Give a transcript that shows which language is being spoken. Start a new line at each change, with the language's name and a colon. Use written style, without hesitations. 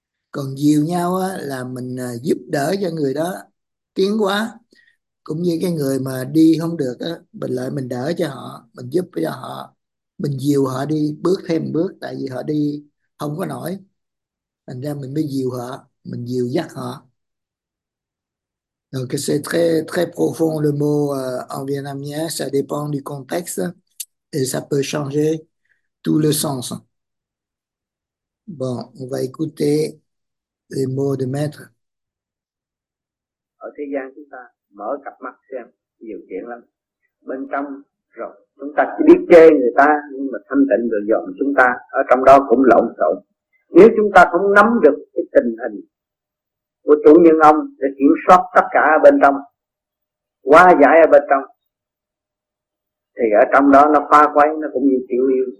Vietnamese: Còn dìu nhau á, là mình giúp đỡ cho người đó tiến quá. Cũng như cái người mà đi không được á, mình lại mình đỡ cho họ, mình giúp cho họ. Mình dìu họ đi bước thêm bước, tại vì họ đi không có nổi. Thành ra mình mới dìu họ, mình dìu dắt họ.
French: Donc c'est très très profond le mot en vietnamien, ça dépend du contexte et ça peut changer tout le sens. Bon, on va écouter les mots de maître.
Vietnamese: Ở thế gian chúng ta mở cặp mắt xem nhiều chuyện lắm, bên trong rồi chúng ta chỉ biết chê người ta, nhưng mà thanh tịnh được dọn chúng ta ở trong đó cũng lộn xộn. Nếu chúng ta không nắm được cái tình hình của chủ nhân ông để kiểm soát tất cả ở bên trong, hóa giải ở bên trong, thì ở trong đó nó phá quấy, nó cũng như tiểu yêu.